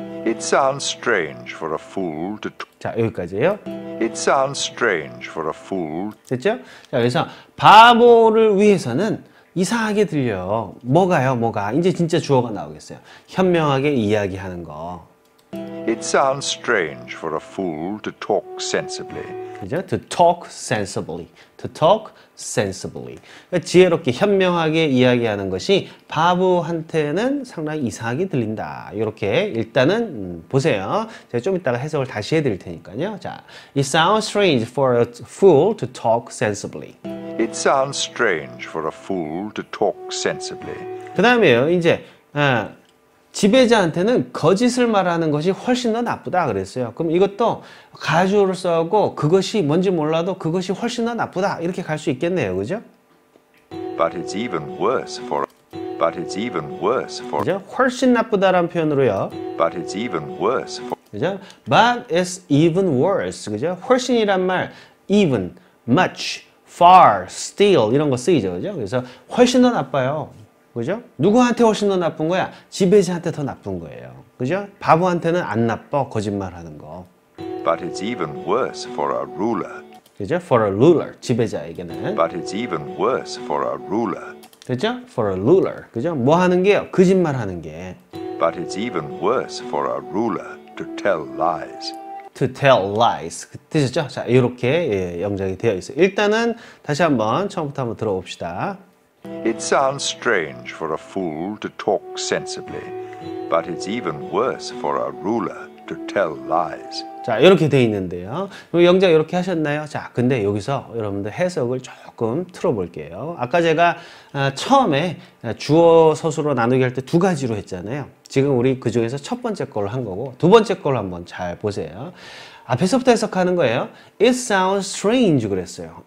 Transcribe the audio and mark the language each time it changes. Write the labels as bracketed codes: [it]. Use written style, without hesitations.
[en] It sounds strange for a fool to. [ko] 자, 여기까지예요. [en] It sounds strange for a fool. [ko] 됐죠? 자, 여기서 바보를 위해서는 이상하게 들려. 뭐가요? 뭐가? 이제 진짜 주어가 나오겠어요. 현명하게 이야기하는 거. [en] It sounds strange for a fool to talk sensibly. [ko] 그죠? [en] To talk sensibly. To talk sensibly. [ko] 그러니까 지혜롭게 현명하게 이야기하는 것이 바보한테는 상당히 이상하게 들린다. 이렇게 일단은 보세요. 제가 좀 이따가 해석을 다시 해드릴 테니까요. 자, [en] It sounds strange for a fool to talk sensibly. It sounds strange for a fool to talk sensibly. [ko] 그 다음에요, 이제, 지배자한테는 거짓을 말하는 것이 훨씬 더 나쁘다 그랬어요. 그럼 이것도 가주어를 써고 그것이 뭔지 몰라도 그것이 훨씬 더 나쁘다 이렇게 갈 수 있겠네요. 그죠? [en] But it's even worse for But it's even worse for [ko] 그죠? 훨씬 나쁘다라는 표현으로요. [en] But it's even worse for [ko] 그죠? [en] But it's even worse. 그죠? [ko] 훨씬이란 말 even, much, far, still 이런 거 쓰이죠. 그죠? 그래서 훨씬 더 나빠요. 그죠? 누구한테 훨씬 더 나쁜 거야? 지배자한테 더 나쁜 거예요. 그죠? 바보한테는 안 나빠. 거짓말 하는 거. [en] But it's even worse for a ruler. [ko] 그죠? [en] For a ruler. [ko] 지배자에게는. [en] But it's even worse for a ruler. [ko] 그죠? [en] For a ruler. [ko] 그죠? 뭐 하는 게요? 거짓말 하는 게. [en] But it's even worse for a ruler to tell lies. To tell lies. [ko] 되셨죠? 자, 이렇게 예, 영작이 되어 있어요. 일단은 다시 한번 처음부터 한번 들어봅시다. [en] It sounds strange for a fool to talk sensibly, but it's even worse for a ruler to tell lies. [ko] 자, 이렇게 돼 있는데요. 그럼 영작 이렇게 하셨나요? 자, 근데 여기서 여러분들 해석을 조금 틀어볼게요. 아까 제가 처음에 주어 서술로 나누기 할 때 두 가지로 했잖아요. 지금 우리 그 중에서 첫 번째 걸로 한 거고 두 번째 걸로 한번 잘 보세요. 앞에서부터 해석하는 거예요. [en] It sounds strange [ko] 그랬어요.